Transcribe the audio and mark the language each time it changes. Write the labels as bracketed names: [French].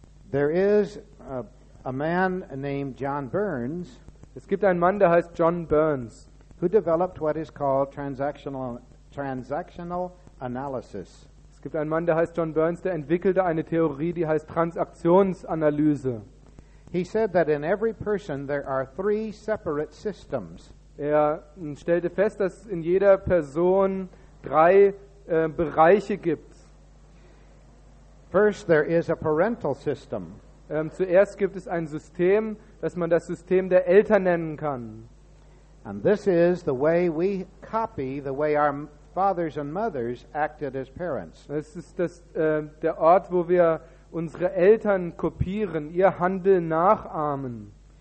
[English] There is a man named John Burns. [German] Es gibt einen Mann, der heißt John Burns, [English] who developed what is called transactional analysis. [German] Es gibt einen Mann, der heißt John Burns, der entwickelte eine Theorie, die heißt Transaktionsanalyse. [English] He said that in every person there are three separate systems. [German] Er stellte fest, dass in jeder Person drei Bereiche gibt. [English] First, there is a parental system. [German] Zuerst gibt es ein System, das man das System der Eltern nennen kann. [English] And this is the way we copy the way our fathers and mothers acted as parents. [German] Das ist der Ort, wo wir unsere Eltern kopieren, ihr Handeln nachahmen.